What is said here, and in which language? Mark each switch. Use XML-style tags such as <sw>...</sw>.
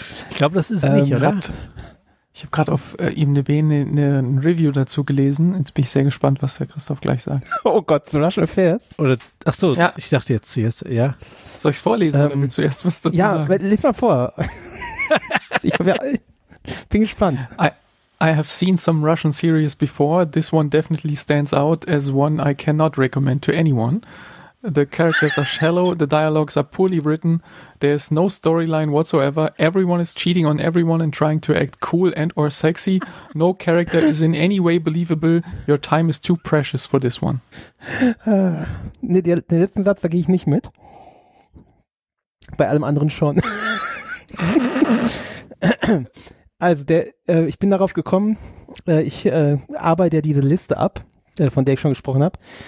<de>Ich glaube, das ist nicht, oder? Ich habe gerade auf IMDb ein Review dazu gelesen. Jetzt bin ich sehr gespannt, was der Christoph gleich sagt. Oh Gott, so Russian Affairs. Oder, ach so, ja. Ich dachte jetzt zuerst, ja. Soll ich es vorlesen, oder willst du zuerst was dazu sagen? Ja, lies mal vor. bin gespannt.</de> <en>I have seen some Russian series before. This one definitely stands out as one I cannot recommend to anyone. The characters are shallow, the dialogues are poorly written, there is no storyline whatsoever, everyone is cheating on everyone and trying to act cool and or sexy, no character is in any way believable, your time is too precious for this one.</en> <de>Den letzten Satz, da gehe ich nicht mit. Bei allem anderen schon. Also, ich bin darauf gekommen, ich arbeite ja diese Liste ab, von der ich schon gesprochen habe.</de>